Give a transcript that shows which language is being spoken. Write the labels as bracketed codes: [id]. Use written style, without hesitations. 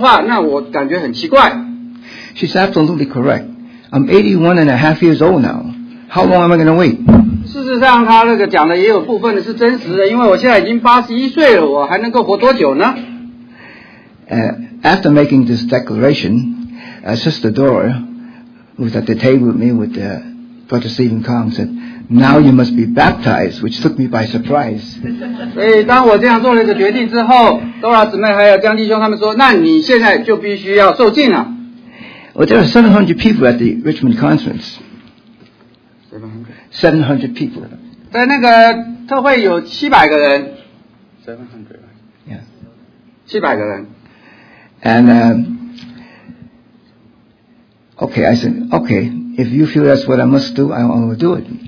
[zh] 所以在那一天之前，我太太跟我就有一些交通，就是说，若是你在去世之前，若是还没有重生的话，那我感觉很奇怪。 [en] She's absolutely correct. I'm 81 and a half years old now. How long am I going to wait? [zh] 事实上，他那个讲的也有部分的是真实的，因为我现在已经81岁了，我还能够活多久呢？ [en] After making this declaration, Sister Dora, who was at the table with me with Brother Stephen Kong, said, "Now you must be baptized," which took me by surprise. [zh] 所以当我这样做了一个决定之后，Dora姊妹还有江弟兄他们说，那你现在就必须要受浸了。 [en] Well, there are 700 people at the Richmond Conference. 700 people. [zh] 在那个特会有700个人。 [en] 700. Yeah. [zh] 700个人. [en] And, okay, I said, okay, if you feel that's what I must do, I will do it.